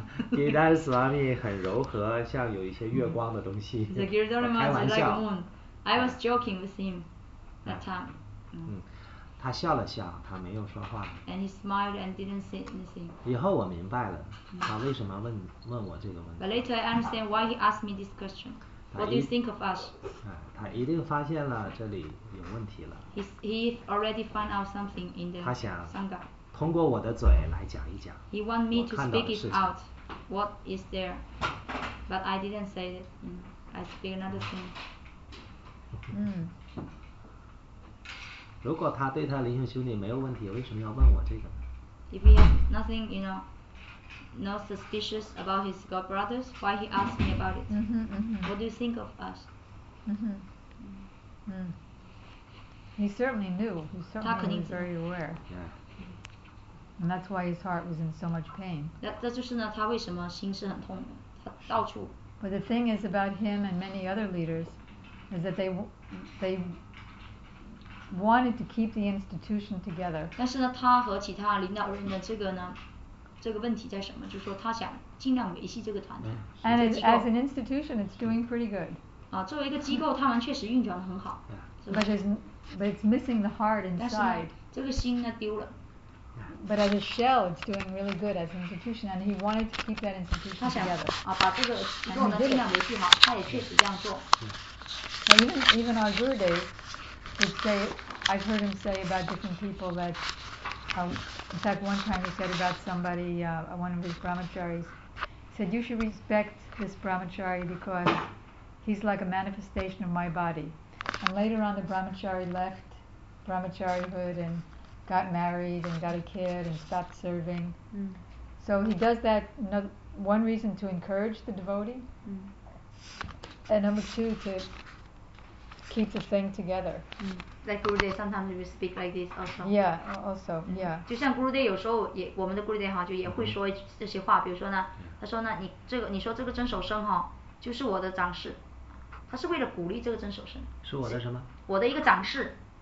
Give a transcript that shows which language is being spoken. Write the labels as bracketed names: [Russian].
[Chinese] 吉达尔斯瓦米很柔和，像有一些月光的东西。 [English] The Giridhari Maharaj is like moon. I was joking with him that time. [Chinese] 他笑了笑，他没有说话。 [English] And he smiled and didn't say anything. [Chinese] 以后我明白了，他为什么问我这个问题。 [English] But later I understand why he asked me this question. What do you think of us? [Chinese] 他一定发现了这里有问题了。 [English] He already found out something in the Sangha. [Chinese] 通过我的嘴来讲一讲。 [English] He want me to speak it out. What is there? But I didn't say it. I speak another thing. [Chinese] 如果他对他灵性修炼没有问题，为什么要问我这个呢 [English] ？If he has nothing, you know, no suspicious about his god brothers, why he asked me about it? What do you think of us? He certainly knew. He certainly was very aware. Yeah. And that's why his heart was in so much pain. [Chinese] 那就是呢，他为什么心是很痛的？他到处。 [English] But the thing is about him and many other leaders, is that they wanted to keep the institution together. [Chinese] 但是呢，他和其他领导人的这个呢，这个问题在什么？就是说，他想尽量维系这个团体。 [English] And as an institution, it's doing pretty good. [Chinese] 啊，作为一个机构，他们确实运转得很好。 [English] But it's missing the heart inside. [Chinese] 但是呢，这个心呢丢了。 [English] But as a shell, it's doing really good as an institution, and he wanted to keep that institution together. [Chinese] 他想把这个机构能尽量维系好，他也确实这样做。 [English] Now even our Gurudev would say, I've heard him say about different people that, in fact, one time he said about somebody, one of his brahmacharis, said, you should respect this brahmachari because he's like a manifestation of my body. And later on, the brahmachari left brahmacharihood and. Got married and got a kid and stopped serving. So he does that one reason to encourage the devotee, mm. and number two, to keep the thing together. Mm. Like Gurudev, sometimes we speak like this also. Yeah, also, mm. yeah. [Chinese] 就像 Gurudev 有时候也，我们的 Gurudev 哈，就也会说这些话。比如说呢，他说呢，你这个你说这个真守生哈，就是我的掌事，他是为了鼓励这个真守生。是我的什么？我的一个掌事。